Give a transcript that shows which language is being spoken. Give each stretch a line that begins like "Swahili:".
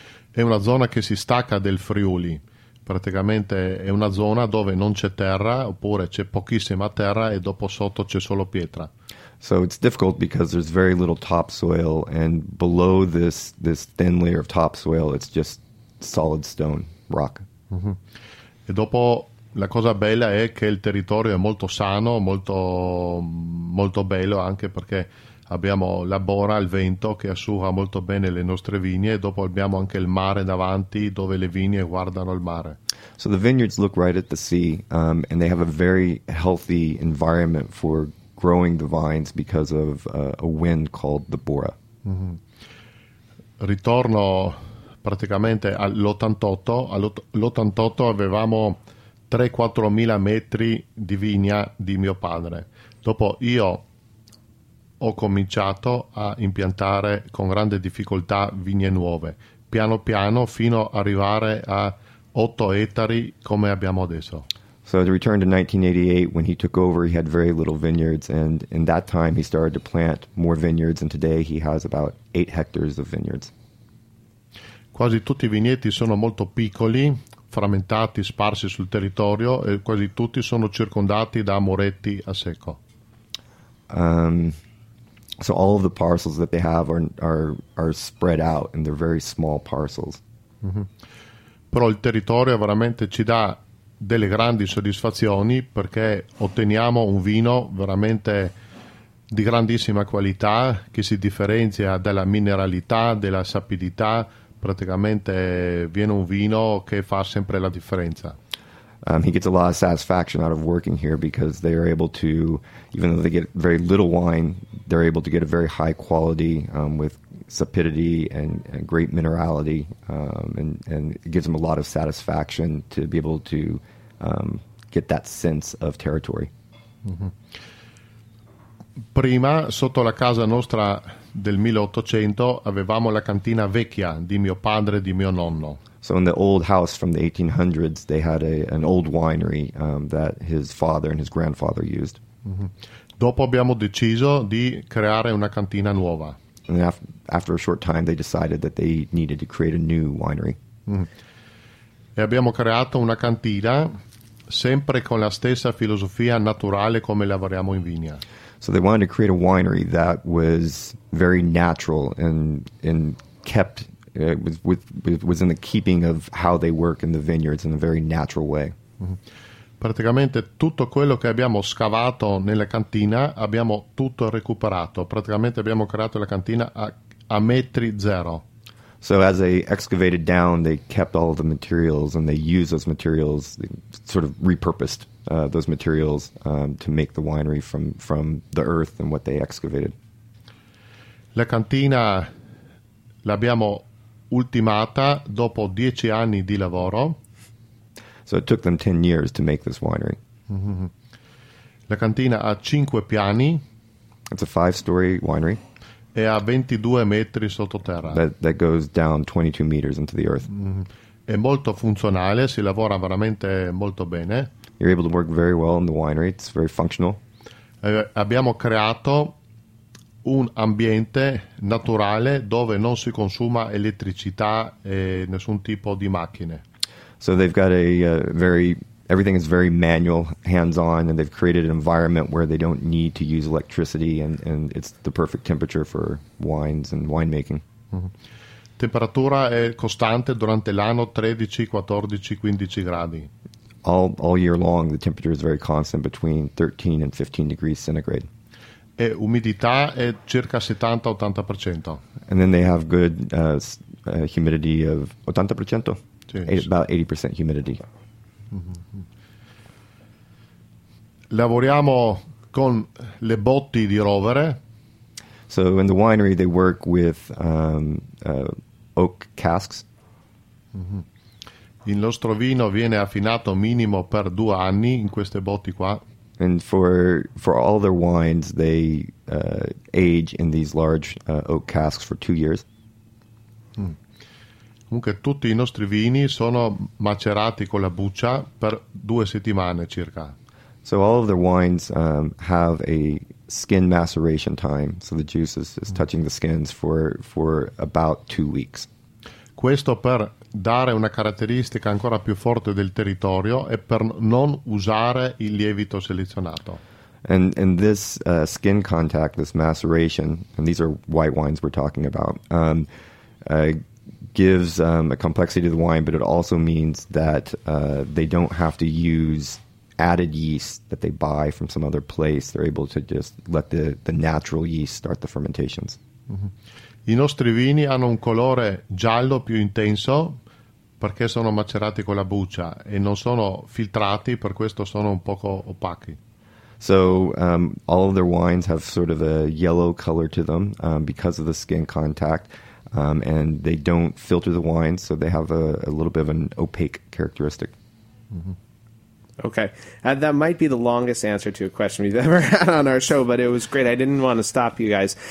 Italian: È una zona che si stacca del Friuli. Praticamente è una zona dove non c'è terra, oppure c'è pochissima terra e dopo sotto c'è solo pietra.
English: So it's difficult because there's very little topsoil and below this thin layer of topsoil it's just solid stone, rock. Mm-hmm.
Italian: E dopo la cosa bella è che il territorio è molto sano, molto molto bello anche perché abbiamo la bora, il vento che asciuga molto bene le nostre vigne, e dopo abbiamo anche il mare davanti dove le vigne guardano il mare.
English: So the vineyards look right at the sea, and they have a very healthy environment for growing the vines because of a wind called the bora.
Italian: Mm-hmm. Ritorno praticamente all'88. All'88 avevamo 3-4 mila metri di vigna di mio padre. Dopo io ho cominciato a impiantare con grande difficoltà vigne nuove, piano piano, fino ad arrivare a 8 ettari come abbiamo adesso.
English: So to return to 1988, when he took over, he had very little vineyards, and in that time he started to plant more vineyards, and today he has about 8 hectares of vineyards.
Italian: Quasi tutti i vigneti sono molto piccoli, frammentati, sparsi sul territorio, e quasi tutti sono circondati da muretti a secco.
English: So all of the parcels that they have are spread out, and they're very small parcels. Mm-hmm.
Italian: Però il territorio veramente ci dà delle grandi soddisfazioni, perché otteniamo un vino veramente di grandissima qualità, che si differenzia dalla mineralità, della sapidità. Praticamente viene un vino che fa sempre la differenza.
English: He gets a lot of satisfaction out of working here because they are able to, even though they get very little wine, they're able to get a very high quality with sapidity and great minerality, and it gives them a lot of satisfaction to be able to get that sense of territory. Mm-hmm.
Italian: Prima, sotto la casa nostra del 1800, avevamo la cantina vecchia di mio padre e di mio nonno.
English: So in the old house from the 1800s, they had an old winery that his father and his grandfather used. Mm-hmm.
Italian: Dopo abbiamo deciso di creare una cantina nuova.
English: And after a short time, they decided that they needed to create a new winery. Mm-hmm.
Italian: E abbiamo creato una cantina sempre con la stessa filosofia naturale come lavoriamo in vigna.
English: So they wanted to create a winery that was very natural and kept was in the keeping of how they work in the vineyards in a very natural way. Mm-hmm.
Italian: Praticamente tutto quello che abbiamo scavato nella cantina abbiamo tutto recuperato. Praticamente abbiamo creato la cantina a metri zero.
English: So as they excavated down, they kept all of the materials and they used those materials, sort of repurposed those materials to make the winery from the earth and what they excavated.
Italian: La cantina l'abbiamo ultimata dopo 10 anni di lavoro.
English: So it took them 10 years to make this winery.
Italian: Mm-hmm. La cantina ha 5 piani.
English: It's a 5-story winery.
Italian: E ha 22 metri sottoterra.
English: That goes down 22 meters into the earth. Mm-hmm.
Italian: È molto funzionale, si lavora veramente molto bene.
English: You're able to work very well in the winery, it's very functional.
Italian: Abbiamo creato un ambiente naturale dove non si consuma elettricità e nessun tipo di macchine.
English: So they've got everything is very manual, hands-on, and they've created an environment where they don't need to use electricity, and it's the perfect temperature for wines and winemaking.
Italian: Mm-hmm. Temperatura è costante durante l'anno 13, 14, 15 gradi.
English: All year long, the temperature is very constant between 13 and 15 degrees centigrade.
Italian: E umidità è circa 70-80%.
English: And then they have good humidity of 80%?
Italian: Sì.
English: About 80% humidity. Mm-hmm.
Italian: Lavoriamo con le botti di rovere.
English: So in the winery they work with oak casks.
Italian: Mm-hmm. Il nostro vino viene affinato minimo per 2 anni in queste botti qua.
English: And for all their wines they age in these large oak casks for 2 years.
Italian: Comunque tutti i nostri vini sono macerati con la buccia per 2 settimane circa.
English: So all of their wines have a skin maceration time, so the juice is touching the skins for about 2 weeks.
Italian: Questo per dare una caratteristica ancora più forte del territorio e per non usare il lievito selezionato.
English: And this skin contact, this maceration, and these are white wines we're talking about, gives a complexity to the wine, but it also means that they don't have to use added yeast that they buy from some other place. They're able to just let the natural yeast start the fermentations.
Italian: Mm-hmm. I nostri vini hanno un colore giallo più intenso perché sono macerati con la buccia e non sono filtrati, per questo sono un poco opachi.
English: So all of their wines have sort of a yellow color to them because of the skin contact, and they don't filter the wine, so they have a little bit of an opaque characteristic. Mm-hmm. Okay. That might be the longest answer to a question we've ever had on our show, but it was great. I didn't want to stop you guys.